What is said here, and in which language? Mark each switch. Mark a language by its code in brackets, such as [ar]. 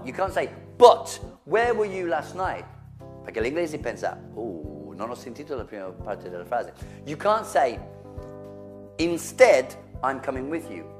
[en] You can't say but where were you last night? [it] Perché l'inglese pensa, non ho sentito la prima parte della frase. [en] You can't say instead I'm coming with you.